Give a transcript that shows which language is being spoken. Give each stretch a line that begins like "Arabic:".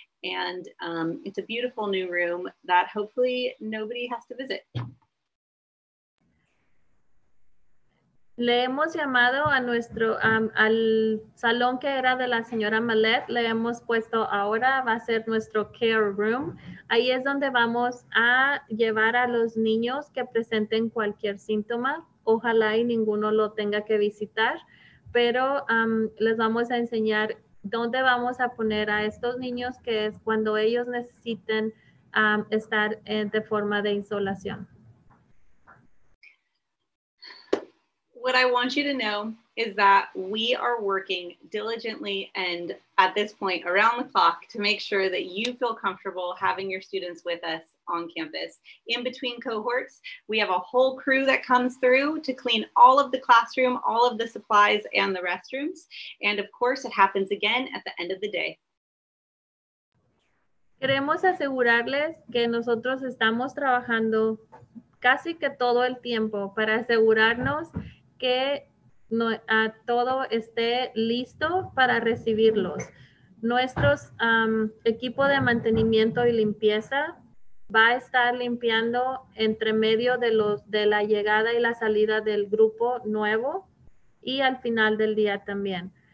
English: And it's a beautiful new room that hopefully nobody has to visit.
Spanish: Le hemos llamado a nuestro, al salón que era de la señora Malet, le hemos puesto ahora, va a ser nuestro care room. Ahí es donde vamos a llevar a los niños que presenten cualquier síntoma. Ojalá y ninguno lo tenga que visitar, pero les vamos a enseñar dónde vamos a poner a estos niños que es cuando ellos necesiten estar de forma de isolación.
English: What I want you to know is that we are working diligently and at this point around the clock to make sure that you feel comfortable having your students with us on campus. In between cohorts, we have a whole crew that comes through to clean all of the classroom, all of the supplies and the restrooms. And of course, it happens again at the end of the day.
Spanish: Queremos asegurarles que nosotros estamos trabajando casi que todo el tiempo para asegurarnos que no, todo esté listo para recibirlos. Nuestros equipo de mantenimiento y limpieza va a estar limpiando entre medio de, los, de la llegada y la salida del grupo nuevo y al final del día también.